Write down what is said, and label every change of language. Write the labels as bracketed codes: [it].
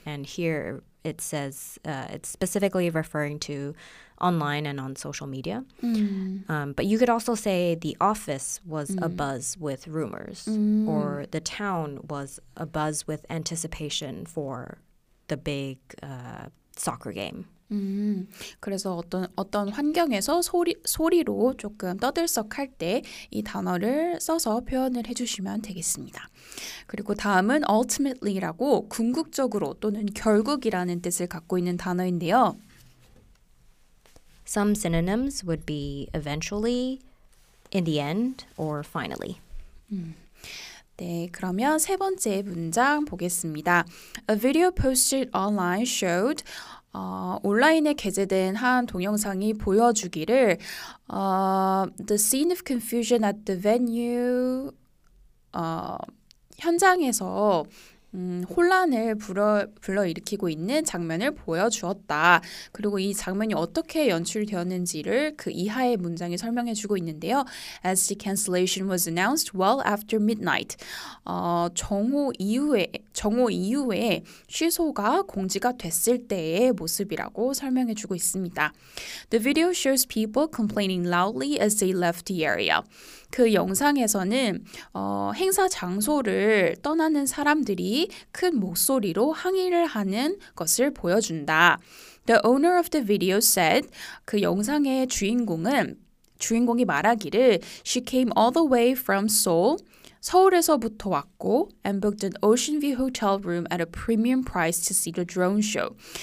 [en] And here it says it's specifically referring to online and on social media. But you could also say the office was abuzz with rumors or the town was abuzz with anticipation for the big soccer game. [ko] 그래서 어떤 환경에서 소리로 조금 떠들썩할 때 이 단어를 써서 표현을 해주시면 되겠습니다. 그리고 다음은 ultimately라고 궁극적으로 또는 결국이라는 뜻을 갖고 있는 단어인데요. [en] Some synonyms would be eventually, in the end, or finally. [ko] 네, 그러면 세 번째 문장 보겠습니다. [en] A video posted online showed [ko] 온라인에 게재된 한 동영상이 보여주기를 [en] the scene of confusion at the venue [ko] 현장에서 혼란을 불러일으키고 있는 장면을 보여주었다. 그리고 이 장면이 어떻게 연출되었는지를 그 이하의 문장이 설명해주고 있는데요. [en] As the cancellation was announced well after midnight. [ko] 정오 이후에 취소가 공지가 됐을 때의 모습이라고 설명해주고 있습니다. [en] The video shows people complaining loudly as they left the area. [ko] 그 영상에서는 행사 장소를 떠나는 사람들이 큰 목소리로 항의를 하는 것을 보여준다. [en] The owner of the video said [ko] 그 영상의 주인공이 말하기를 [en] She came all the way from Seoul, [ko] 서울에서부터 왔고 [en] and booked an ocean view hotel room at a premium price to see the drone show.